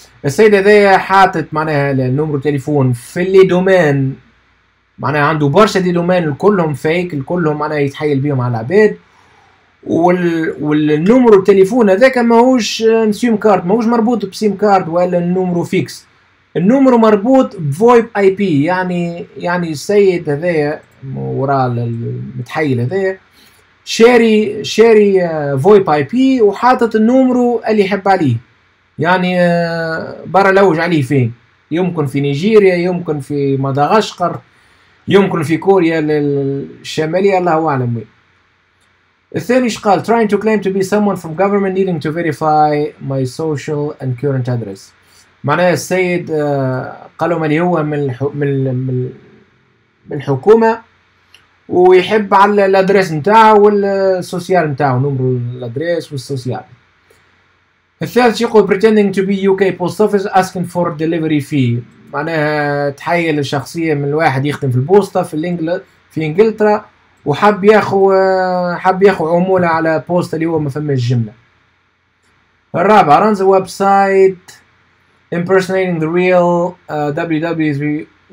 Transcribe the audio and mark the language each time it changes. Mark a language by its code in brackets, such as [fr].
[ar] السيد هذايا حاطت معناها النمبر تليفون في لي دومين، معناها عنده برشا دي دومين كلهم فيك، الكلهم معناها يتحايل بيهم على العباد، والنمر التليفون هذاك ماهوش سيم كارد، ماهوش مربوط بسيم كارد ولا النمر فيكس، النمر مربوط بفويب اي بي، يعني السيد هذا وراء المتحيل هذا شاري فويب اي بي وحاطط النمر اللي يحب عليه، يعني برا لوج عليه فين، يمكن في نيجيريا، يمكن في مدغشقر، يمكن في كوريا الشمالية، الله اعلم وين. الثاني ايش قال؟ [en] trying to claim to be someone from government needing to verify my social and current address. [ar] معناها السيد قالوا اللي هو من الحكومة ويحب على الادريس نتاعه والسوسيال نتاعه، نمبر الادريس والسوسيال. الثالث يقول [en] pretending to be UK post office asking for delivery fee. [ar] معناها تحيل الشخصية من الواحد يخدم في البوسطة في انجلترا وحب ياخذ عموله على بوست اللي هو ما فهمش الجمله. الرابع [en] runs a website impersonating the real www.webull.com.